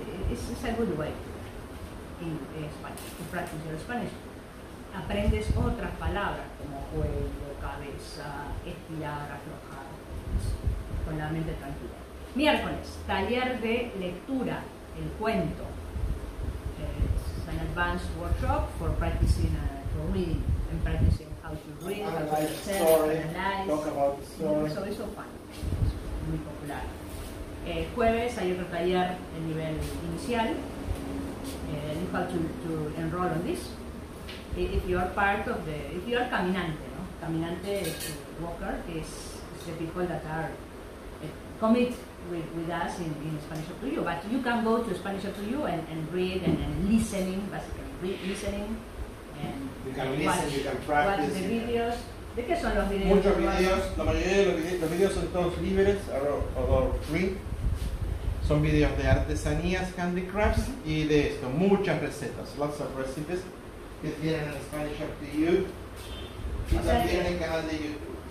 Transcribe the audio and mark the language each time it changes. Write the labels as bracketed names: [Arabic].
[English] It's a good way to practice your Spanish. [Spanish] Aprendes otras palabras, como cuello, cabeza, estirar, aflojar, con la mente tranquila. Miércoles, taller de lectura, el cuento. [English] It's an advanced workshop for practicing for reading and practicing how to read, analyze, how to tell, story, analyze. Talk about the story. So it's fun. It's [Spanish] muy popular. Jueves hay otro taller de nivel inicial. [English] You have to enroll on this. If you are caminante, ¿no? Caminante is a walker, is the people that are commit with us in Spanish Up to You, but you can go to Spanish Up to You and read and listening, basically listening. And you can listen, you can practice. Watch the videos. [Spanish] ¿De qué son los videos? Muchos videos, la mayoría de los videos son todos libres, [English] are free. [Spanish] Son videos de artesanías, handicrafts y de esto, muchas recetas, [English] lots of recipes [Spanish] que tienen en Spanish Up to You y también en el canal de YouTube.